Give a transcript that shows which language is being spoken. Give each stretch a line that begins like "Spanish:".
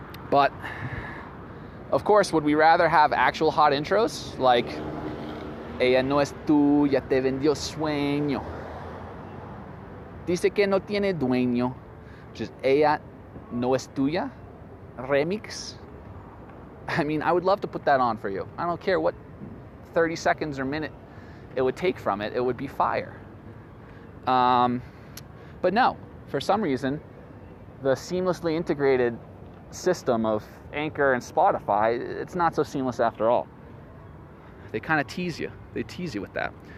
English: But, of course, would we rather have actual hot intros?
Spanish: Like, ella no es tu, ya te vendió sueño. Dice que no tiene dueño. Just ella no es tuya remix.
English: I mean, I would love to put that on for you. I don't care what 30 seconds or minute it would take from it. It would be fire. But no, for some reason, the seamlessly integrated system of Anchor and Spotify, it's not so seamless after all. They kind of tease you. They tease you with that.